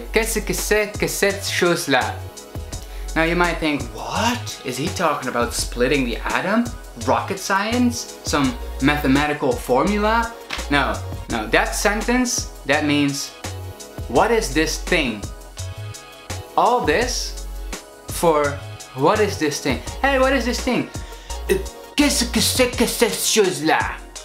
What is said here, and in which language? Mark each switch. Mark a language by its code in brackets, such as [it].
[fr] Qu'est-ce que c'est que cette chose-là? [en] Now you might think, what? Is he talking about splitting the atom? Rocket science? Some mathematical formula? No, no, that sentence, that means, what is this thing? All this for what is this thing? Hey, what is this thing? [fr] Qu'est-ce que c'est que cette chose-là?